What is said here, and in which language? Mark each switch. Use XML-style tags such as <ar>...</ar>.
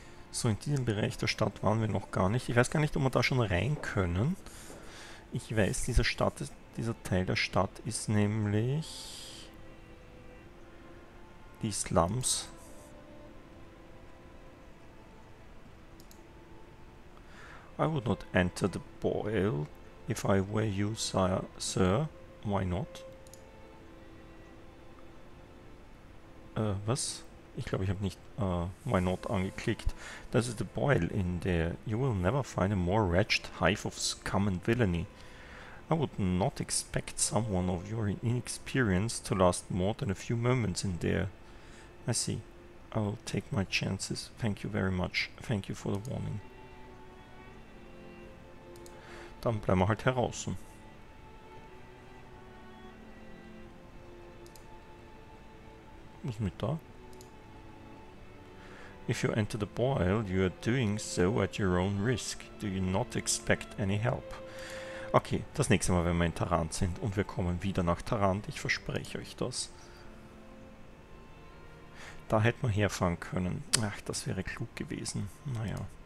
<de>So, in diesem Bereich der Stadt waren wir noch gar nicht. Ich weiß gar nicht, ob wir da schon rein können. Ich weiß, diese Stadt ist... Dieser Teil der Stadt ist nämlich die Slums.</de> <en>I would not enter the boil if I were you, sir. Why not? Was?</en> <de>Ich glaube, ich habe nicht</de> <en>why not</en> <de>angeklickt. Das ist der Boil</de> <en>in there. You will never find a more wretched hive of scum and villainy. I would not expect someone of your inexperience to last more than a few moments in there. I see. I will take my chances. Thank you very much. Thank you for the warning.</en> <de>Dann bleiben wir halt heraus. Was mit da?</de> <en>If you enter the boil, you are doing so at your own risk. Do you not expect any help?</en> <de>Okay, das nächste Mal, wenn wir in Tarant sind und wir kommen wieder nach Tarant, ich verspreche euch das. Da hätten wir herfahren können. Ach, das wäre klug gewesen. Naja.</de>